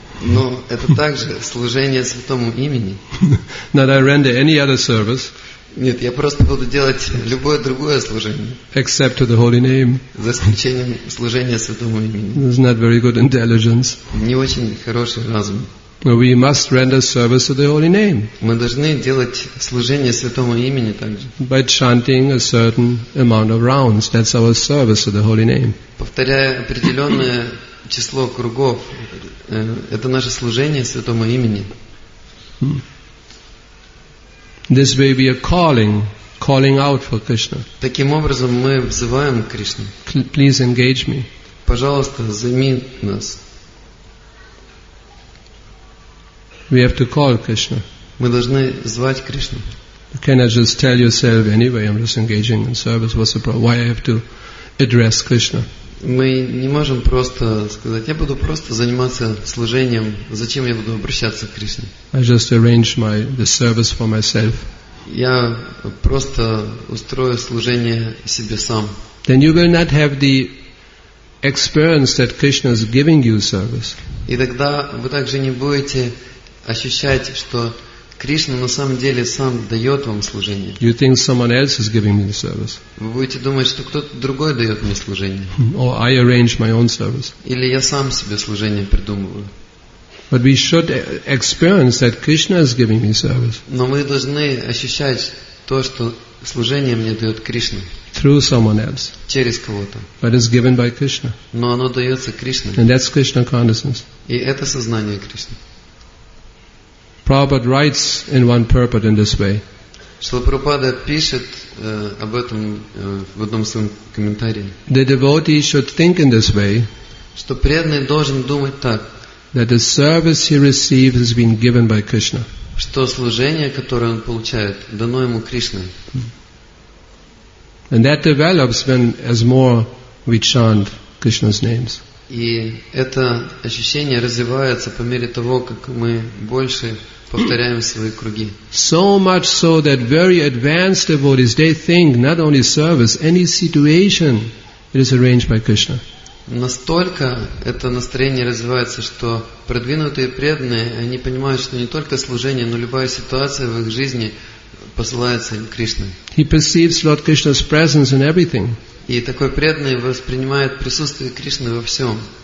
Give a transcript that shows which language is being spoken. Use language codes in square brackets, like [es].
[ru] Но это также служение святому имени. [en] Not I render any other service. [ru] Нет, я просто буду делать любое другое служение. [en] Except to the holy name. [ru] За исключением служения святому имени. [en] It's not very good intelligence. [ru] Не очень хороший разум. [en] But we must render service to the holy name. [ru] Мы должны делать служение святому имени также. [en] By chanting a certain amount of rounds, that's our service to the holy name. [ru] Повторяя определенное число кругов, это наше служение святому имени. [en] This way we are calling out for Krishna. [ru] Таким образом мы взываем к Кришне. [en] Please engage me. [ru] Пожалуйста, займи нас. [en] We have to call Krishna. [ru] Мы должны звать Кришну. [en] You cannot just tell yourself anyway, I'm just engaging in service. What's the problem? Why I have to address Krishna? [ru] Мы не можем просто сказать, я буду просто заниматься служением, зачем я буду обращаться к Кришне? [en] I just arrange the service for myself. [ru] Я просто устрою служение себе сам. [en] Then you will not have the experience that Krishna is giving you service. [ru] И тогда вы также не будете ощущать, что Кришна на самом деле сам дает вам служение. [en] You think someone else is giving me the service. [ru] Вы будете думать, что кто-то другой дает мне служение. [en] Or I arrange my own service. [ru] Или я сам себе служение придумываю. [en] But we should experience that Krishna is giving me service. [ru] Но мы должны ощущать то, что служение мне дает Кришна. [en] Through someone else. [ru] Через кого-то. [en] But it's given by Krishna. [ru] Но оно дается Кришне. [en] And that's Krishna consciousness. [ru] И это сознание Кришны. [en] Prabhupada writes in one purport in this way. [ru] Шрила Прабхупада пишет об этом в одном своем комментарии. [en] The devotee should think in this way. [ru] Что преданный должен думать так. [en] That the service he receives has been given by Krishna. [ru] Что служение, которое он получает, дано ему Кришной. [en] And that develops when as more we chant Krishna's names. [ru] И это ощущение развивается по мере того, как мы больше повторяем свои круги. [en] So much so that very advanced devotees, they think not only service, any situation, it is arranged by Krishna. [ru] Настолько это настроение развивается, что продвинутые преданные, они понимают, что не только служение, но любая ситуация в их жизни посылается им Кришной. [en] He perceives Lord Krishna's presence in everything. [ru] И такой преданный воспринимает присутствие Кришны во всем.